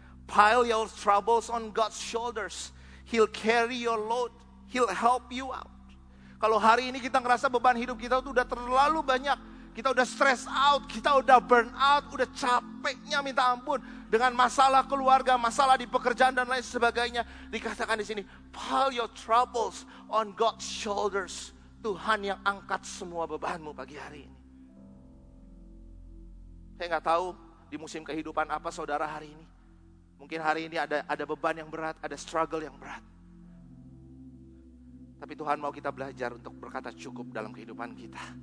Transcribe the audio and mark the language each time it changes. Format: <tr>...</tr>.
<en>Pile your troubles on God's shoulders. He'll carry your load. He'll help you out.</en> <id>Kalau hari ini kita ngerasa beban hidup kita itu udah terlalu banyak. Kita udah stress out. Kita udah burn out. Udah capeknya minta ampun. Dengan masalah keluarga, masalah di pekerjaan dan lain sebagainya. Dikatakan di sini.</id> <en>Pile your troubles on God's shoulders.</en> <id>Tuhan yang angkat semua bebanmu pagi hari ini. Saya gak tahu di musim kehidupan apa saudara hari ini. Mungkin hari ini ada beban yang berat, ada struggle yang berat. Tapi Tuhan mau kita belajar untuk berkata cukup dalam kehidupan kita.</id>